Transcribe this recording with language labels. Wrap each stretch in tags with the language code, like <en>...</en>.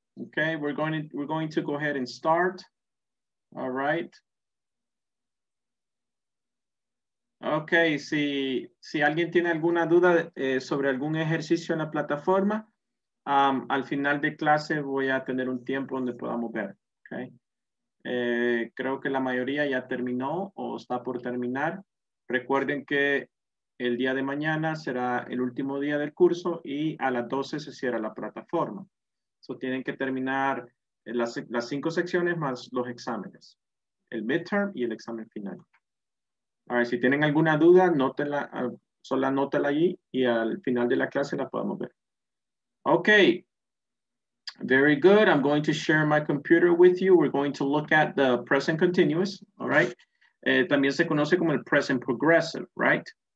<en>Okay, we're going to go ahead and start. All right.</en> <es>Okay, si alguien tiene alguna duda sobre algún ejercicio en la plataforma, al final de clase voy a tener un tiempo donde podamos ver. Okay. Creo que la mayoría ya terminó o está por terminar. Recuerden que el día de mañana será el último día del curso y a las 12 se cierra la plataforma. So tienen que terminar las 5 secciones más los exámenes, el midterm y el examen final. A ver, si tienen alguna duda, anótenla, solo anótenla allí y al final de la clase la podemos ver.</es> <en>Okay, very good. I'm going to share my computer with you. We're going to look at the present continuous, all right?</en> <es>También se conoce como el present progressive, right?</es>